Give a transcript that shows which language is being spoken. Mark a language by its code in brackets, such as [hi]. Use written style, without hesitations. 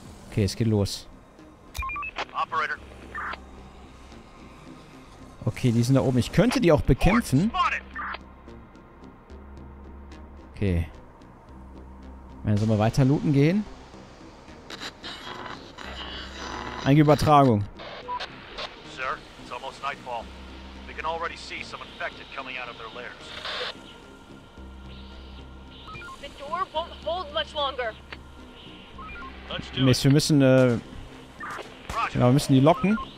[de] Okay, es geht los. Okay, die sind da oben. Ich könnte die auch bekämpfen. Okay. Dann sollen wir weiter looten gehen? Einige Übertragung. [en] Sir, it's almost nightfall. We can already see some infected coming out of their lairs. The door won't hold much longer. [de] Mist, wir müssen, genau, wir müssen die locken.